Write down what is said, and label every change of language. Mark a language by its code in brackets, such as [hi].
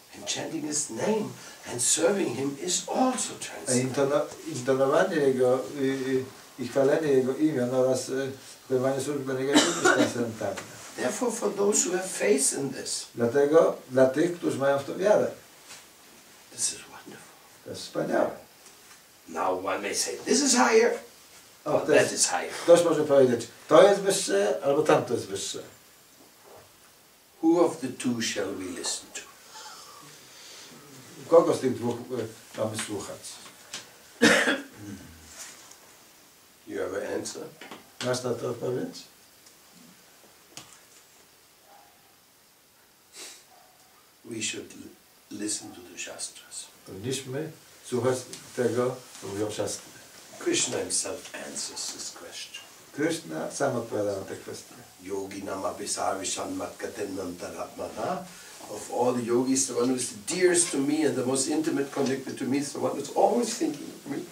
[en] And chanting his name and serving him is also transcendental. [pl] Intonowanie jego i chwalenie jego imion oraz wykonywanie służby dla niego jest transcendentalne. [en] Therefore, for those who have faith in this. [pl] Dlatego dla tych, którzy mają w to wiarę. [en] This is wonderful. [pl] To jest wspaniałe. [en] Now one may say, this is higher. Or that is higher. [pl] Ktoś może powiedzieć, to jest wyższe, albo tamto jest wyższe. [en] Who of the two shall we listen to? [pl] Kogo z tych dwóch mamy słuchać? [en] You have an answer? [pl] Masz na to odpowiedź? [en] We should listen to the Shastras. [pl] Powinniśmy słuchać tego, co mówią Shastry. [en] Krishna himself answers this question. [pl] Krishna sam odpowiada na tę kwestię. [sa] Yoginam abhisarvishan matkatennantaratmana. [en] Of all the yogis, the one who is the dearest to me and the most intimate connected to me is the one who is always thinking of